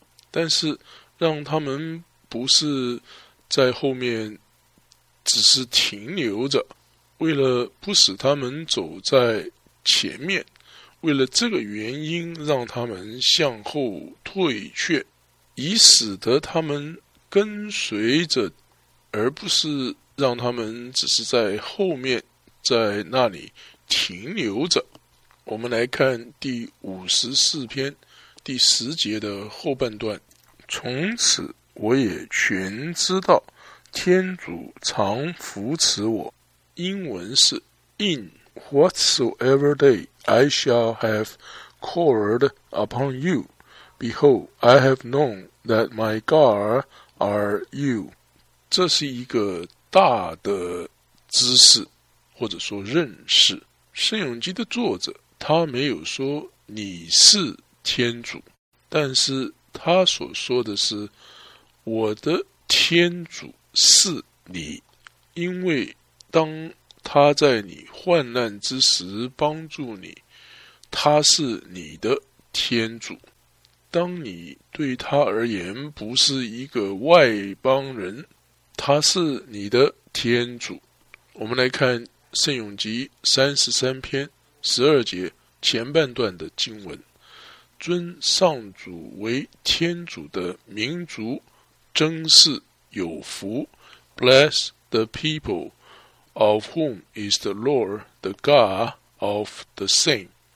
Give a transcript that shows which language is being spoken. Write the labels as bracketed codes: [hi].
[zh] 但是让他们不是在后面只是停留着，为了不使他们走在前面，为了这个原因让他们向后退却，以使得他们跟随着，而不是让他们只是在后面在那里停留着。我们来看第54篇第十节的后半段，从此我也全知道天主常扶持我。英文是 [en] In whatsoever day I shall have called upon you, behold, I have known that my God are you. [zh] 这是一个大的知识或者说认识。圣咏集的作者他没有说你是天主，但是他所说的是我的天主是你，因为当他在你患难之时帮助你，他是你的天主。当你对他而言不是一个外邦人，他是你的天主。我们来看圣咏集33篇12节前半段的经文，尊上主为天主的民族真是有福。 [en] Bless the people of whom is the Lord the God of the same.